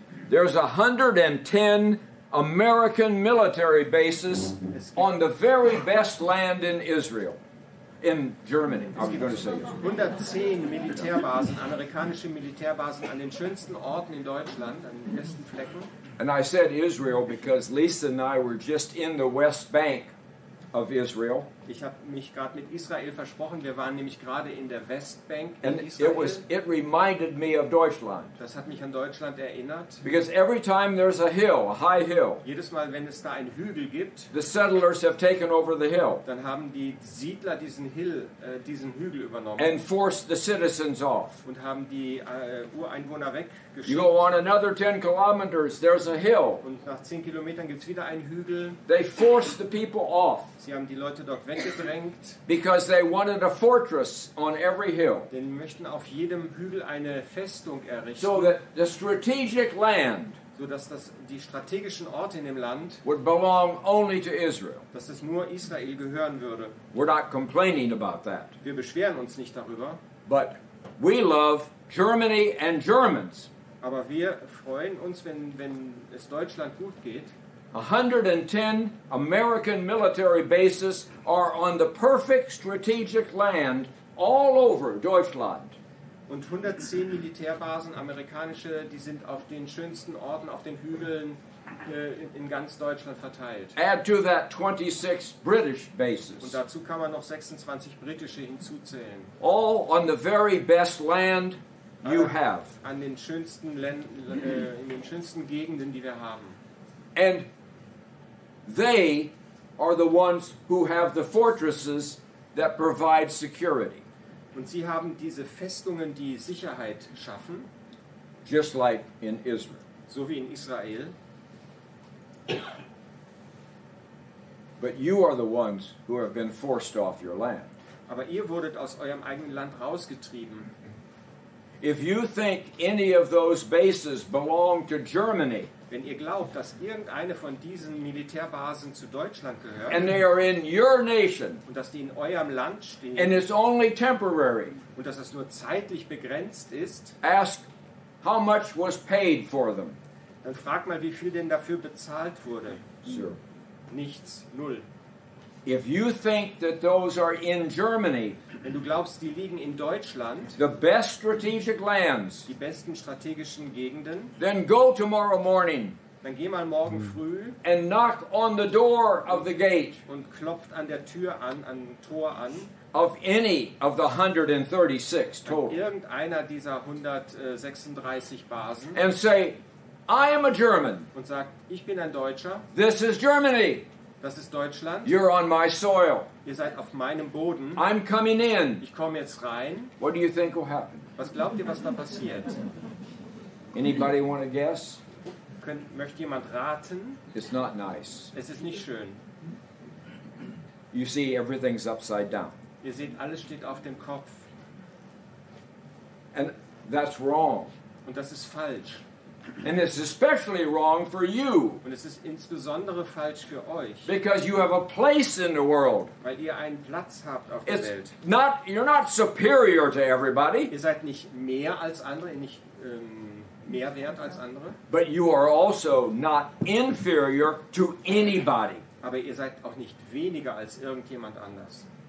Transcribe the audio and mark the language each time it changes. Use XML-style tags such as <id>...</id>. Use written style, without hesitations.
<en>There's 110 American military bases on the very best land in Israel. In Germany.</en> <de>Es gibt 110 Militärbasen, amerikanische Militärbasen an den schönsten Orten in Deutschland, an den besten Flecken.</de> <en>And I said Israel because Lisa and I were just in the West Bank of Israel.</en> <de>Ich habe mich gerade mit Israel versprochen. Wir waren nämlich gerade in der Westbank in</de> <en>and</en> <de>Israel.</de> <en>It reminded me of Deutschland.</en> <de>Das hat mich an Deutschland erinnert.</de> <en>Because every time there's a hill, a high hill.</en> <de>Jedes Mal, wenn es da einen Hügel gibt,</de> <en>the settlers have taken over the hill.</en> <de>Dann haben die Siedler diesen Hill, diesen Hügel übernommen.</de> <en>And forced the citizens off.</en> <de>Und haben die Ureinwohner weggeschickt.</de> <en>You go on another 10 kilometers, there's a hill.</en> <de>Und nach 10 Kilometern gibt's wieder einen Hügel.</de> <en>They forced the people off.</en> <de>Sie haben die Leute dort weggedrängt.</de> <en>Because they wanted a fortress on every hill.</en> <de>Denn sie möchten auf jedem Hügel eine Festung errichten.</de> <en>So that the strategic land,</en> <de>so dass das die strategischen Orte in dem Land,</de> <en>would belong only to Israel.</en> <de>Dass es nur Israel gehören würde.</de> <en>We're not complaining about that.</en> <de>Wir beschweren uns nicht darüber.</de> <en>But we love Germany and Germans.</en> <de>Aber wir freuen uns, wenn es Deutschland gut geht.</de> <en>110 American military bases are on the perfect strategic land all over Deutschland.</en> <de>Und 110 Militärbasen amerikanische, die sind auf den schönsten Orten, auf den Hügeln in ganz Deutschland verteilt.</de> <en>Add to that 26 British bases.</en> <de>Und dazu kann man noch 26 britische hinzuzählen.</de> <en>All on the very best land you have.</en> <de>An den schönsten in den schönsten Gegenden, die wir haben.</de> <en>And they are the ones who have the fortresses that provide security.</en> <de>Und sie haben diese Festungen, die Sicherheit schaffen.</de> <en>Just like in Israel.</en> <de>So wie in Israel.</de> <en>But you are the ones who have been forced off your land.</en> <de>Aber ihr wurdet aus eurem eigenen Land rausgetrieben.</de> <en>If you think any of those bases belong to Germany,</en> <de>wenn ihr glaubt, dass irgendeine von diesen Militärbasen zu Deutschland gehört,</de> <en>and they are in your nation,</en> <de>und dass die in eurem Land stehen,</de> <en>and it's only temporary,</en> <de>und dass das nur zeitlich begrenzt ist,</de> <en>ask how much was paid for them.</en> <de>Dann frag mal, wie viel denn dafür bezahlt wurde.</de> <en>Sir.</en> <de>Nichts. Null.</de> <en>If you think that those are in Germany,</en> <de>wenn du glaubst, die liegen in Deutschland,</de> <en>the best strategic lands,</en> <de>die besten strategischen Gegenden,</de> <en>then go tomorrow morning.</en> <de>Dann geh mal morgen früh</de> <en>and knock on the door of the gate</en> <de>und klopft an der Tür an, an Tor an,</de> <en>of any of the 136 total.</en> <de>Irgendeiner dieser 136 Basen,</de> <en>and say, I am a German.</en> <de>Und sagt, ich bin ein Deutscher.</de> <en>This is Germany.</en> <de>Das ist Deutschland.</de> <en>You're on my soil.</en> <de>Ihr seid auf meinem Boden.</de> <en>I'm coming in.</en> <de>Ich komme jetzt rein.</de> <en>What do you think will happen?</en> <de>Was glaubt ihr, was da passiert?</de> <en>Anybody want to guess?</en> <de>Möchte jemand raten?</de> <en>It's not nice.</en> <de>Es ist nicht schön.</de> <en>You see, everything's upside down.</en> <de>Ihr seht, alles steht auf dem Kopf.</de> <en>And that's wrong.</en> <de>Und das ist falsch.</de> <en>And it's especially wrong for you.</en> <de>Und es ist insbesondere falsch für euch.</de> <en>Because you have a place in the world.</en> <de>Weil ihr einen Platz habt auf</de> <en>it's</en> <de>der Welt.</de> <en>Not, you're not superior to everybody.</en> <de>Ihr seid nicht mehr als andere, nicht mehr wert als andere.</de> <en>But you are also not inferior to anybody.</en> <de>Aber ihr seid auch nicht weniger als irgendjemand anders.</de>